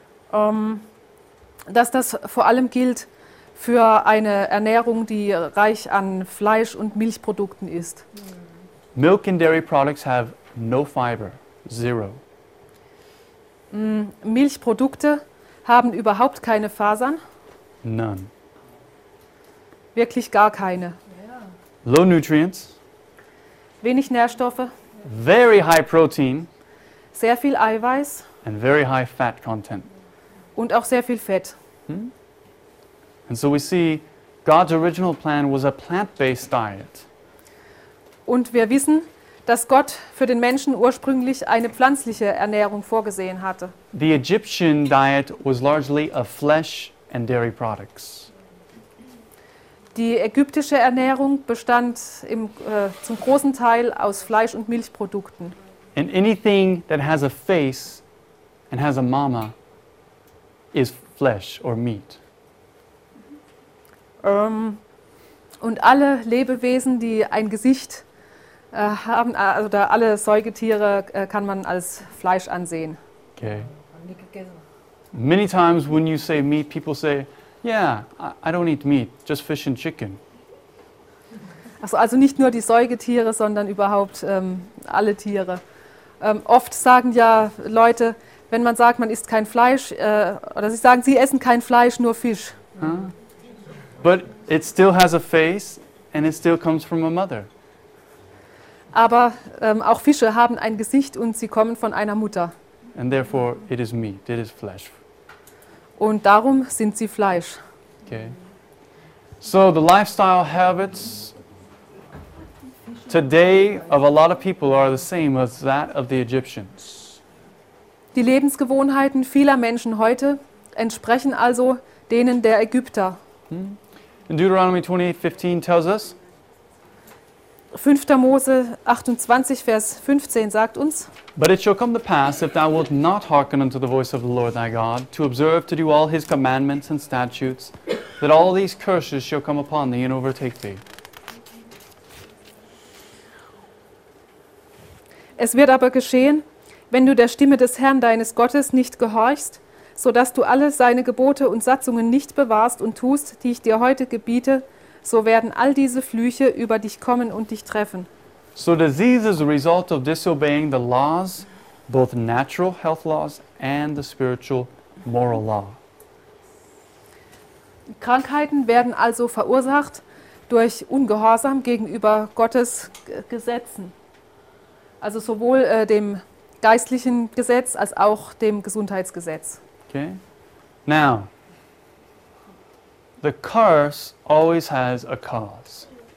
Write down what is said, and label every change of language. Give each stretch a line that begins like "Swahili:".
German: Dass das vor allem gilt für eine Ernährung, die reich an Fleisch und Milchprodukten ist.
English: Milk and dairy products have no fiber, zero.
German: Milchprodukte haben überhaupt keine Fasern.
English: None.
German: Wirklich gar keine.
English: Yeah. Low nutrients.
German: Wenig Nährstoffe.
English: Very high protein.
German: Sehr viel Eiweiß.
English: And very high fat content.
German: Und auch sehr viel Fett.
English: And so we see God's original plan was a plant-based diet.
German: Und wir wissen, dass Gott für den Menschen ursprünglich eine pflanzliche Ernährung vorgesehen hatte.
English: The Egyptian diet was largely of flesh and dairy products.
German: Die ägyptische Ernährung bestand zum großen Teil aus Fleisch und Milchprodukten.
English: And anything that has a face and has a mama is flesh or meat.
German: Und alle Lebewesen, die ein Gesicht haben, also da alle Säugetiere kann man als Fleisch ansehen.
English: Okay. Many times when you say meat, people say, yeah, I don't eat meat, just fish and chicken.
German: Also nicht nur die Säugetiere, sondern überhaupt alle Tiere. Oft sagen ja Leute, wenn man sagt, man isst kein Fleisch, oder sie sagen, sie essen kein Fleisch, nur Fisch.
English: But it still has a face and it still comes from a mother.
German: Aber auch Fische haben ein Gesicht und sie kommen von einer Mutter.
English: And therefore it is meat, it is flesh.
German: Und darum sind sie Fleisch.
English: Okay. So the lifestyle habits today of a lot of people are the same as that of the Egyptians.
German: Die Lebensgewohnheiten vieler Menschen heute entsprechen also denen der Ägypter.
English: In Deuteronomy 28:15 tells us.
German: 5. Mose 28, Vers 15 sagt uns.
English: But it shall come to pass, if thou wilt not hearken unto the voice of the Lord thy God, to observe to do all his commandments and statutes, that all these curses shall come upon thee and overtake thee.
German: Es wird aber geschehen, wenn du der Stimme des Herrn deines Gottes nicht gehorchst, so dass du alle seine Gebote und Satzungen nicht bewahrst und tust, die ich dir heute gebiete, so werden all diese Flüche über dich kommen und dich treffen.
English: So disease is a result of disobeying the laws, both natural health laws and the spiritual moral law.
German: Krankheiten werden also verursacht durch Ungehorsam gegenüber Gottes Gesetzen. Also sowohl dem geistlichen Gesetz als auch dem Gesundheitsgesetz.
English: Okay. Now, the curse always has a cause.